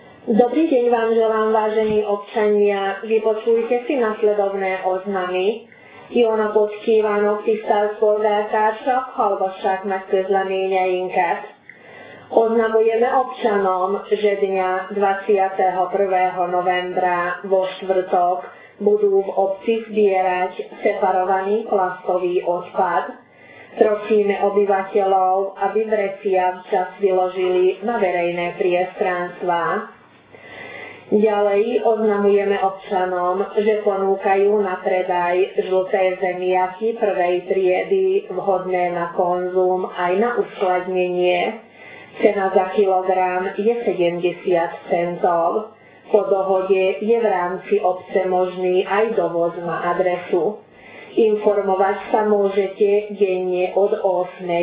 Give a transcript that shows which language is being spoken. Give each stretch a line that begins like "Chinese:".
Slovak: Dobrý deň vám želám, vážení občania. Vypočujte si nasledovné oznamy.
Hungarian: Jóna Pocskívánok tisztelt polgártársak, hallgassák meg közleményeinket.
Slovak: Oznamujeme občanom, že dňa 21. novembra vo štvrtok budú v obci zbierať separovaný plastový odpad. Prosíme obyvateľov, aby vrecia včas vyložili na verejné priestranstvá. Ďalej oznamujeme občanom, že ponúkajú na predaj žlté zemiaky prvej triedy vhodné na konzum aj na uskladnenie. Cena za kilogram je 70 centov. Po dohode je v rámci obce možný aj dovoz na adresu. Informovať sa môžete denne od 8.